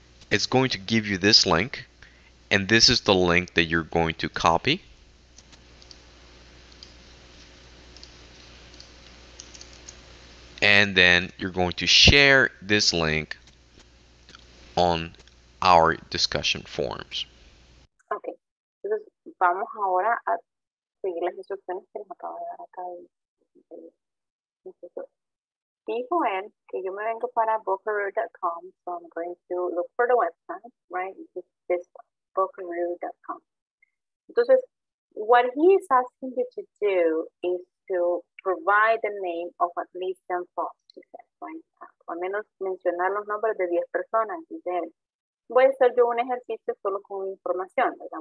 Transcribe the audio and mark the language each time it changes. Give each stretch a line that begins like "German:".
English: It's going to give you this link, and this is the link that you're going to copy. And then you're going to share this link on our discussion forms.
Spanish: Entonces, vamos ahora a seguir las instrucciones que nos acaba de dar acá. Entonces, dijo él que yo me vengo para bookaroo.com,
English: so I'm going to look for the website, right? This one, bookaroo.com.
Spanish: Entonces,
English: what he is asking you to do is to provide the name of at least 10 folks, he says, right?
Spanish: Al menos mencionar los nombres de 10 personas, dice él. Voy a hacer yo un ejercicio solo con información, ¿verdad?